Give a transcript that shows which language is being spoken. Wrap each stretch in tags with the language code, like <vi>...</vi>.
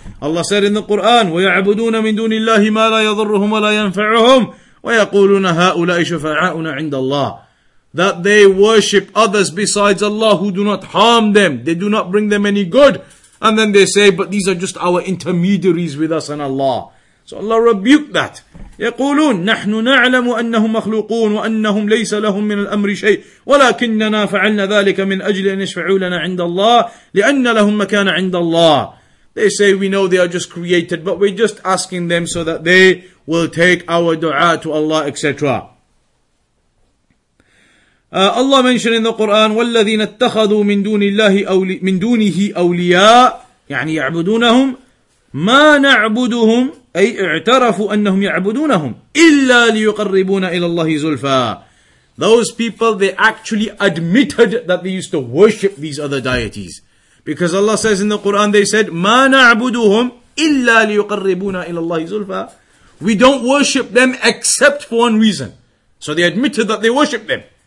<en>Allah said in the Quran,</en> <ar>وَيَعْبُدُونَ مِن دُونِ اللَّهِ مَا لَا يَضُرُّهُمْ وَلَا يَنْفَعُهُمْ وَيَقُولُونَ هَؤُلَاءِ شُفَعَاؤُنَا عِنْدَ اللَّهِ.</ar> <en>That they worship others besides Allah who do not harm them, they do not bring them any good. And then they say, but these are just our intermediaries with us and Allah. So Allah rebuked that.</en> <ar>يقولون نحن نعلم أنهم مخلوقون وأنهم ليس لهم من الأمر شيء ولكننا فعلنا ذلك من أجل أن يشفعوا لنا عند الله لأن لهم مكان عند الله.</ar> <en>They say, we know they are just created, but we're just asking them so that they will take our dua to Allah, etc. Allah mentioned in the Quran,</en> <ar>والذين اتخذوا من دون الله من دونه أولياء يعني يعبدونهم ما نعبدهم أي اعترفوا أنهم يعبدونهم إلا ليقربونا إلى الله زلفا.</ar> <en>Those people, they actually admitted that they used to worship these other deities. Because Allah says in the Quran, they said,</en> <ar>ما نعبدهم إلا ليقربونا إلى الله زلفا.</ar> <en>We don't worship them except for one reason. So they admitted that they worship them.</en>